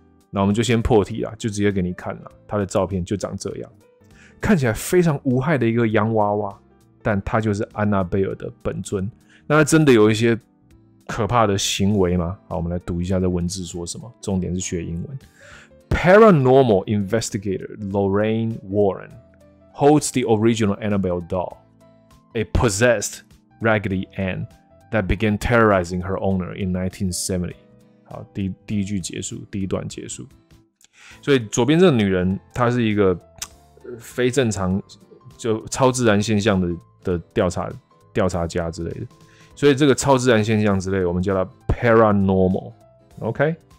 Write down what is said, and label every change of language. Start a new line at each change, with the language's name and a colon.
Chinese: 那我们就先破题啦，就直接给你看了。他的照片就长这样，看起来非常无害的一个洋娃娃，但他就是安娜贝尔的本尊。那他真的有一些可怕的行为吗？好，我们来读一下这文字说什么。重点是学英文。
English: Paranormal investigator Lorraine Warren holds the original Annabelle doll, a possessed Raggedy Ann that began terrorizing her owner in 1970.
Chinese: 好，第一句结束，第一段结束。所以左边这个女人，她是一个非正常，就超自然现象的调查家之类的。所以这个超自然现象之类，我们叫它 paranormal。OK，paranormal，paranormal，、okay?